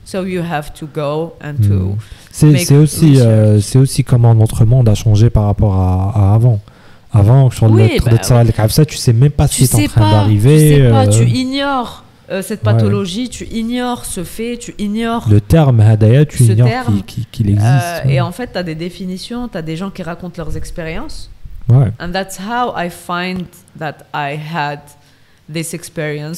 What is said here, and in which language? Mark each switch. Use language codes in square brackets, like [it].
[en] So you have to go and to make [fr] c'est aussi comment notre monde a changé par rapport à avant. Avant, sur oui, le tsara al kafsa, tu sais même pas ce qui est en train d'arriver. Tu sais pas, tu ignores cette pathologie, ouais. Tu ignores ce fait, tu ignores... Le terme hadaya, tu ignores qu'il existe. Ouais. Et en fait, tu as des définitions, tu as des gens qui racontent leurs expériences. Ouais. [en] And that's how I find that I had this experience.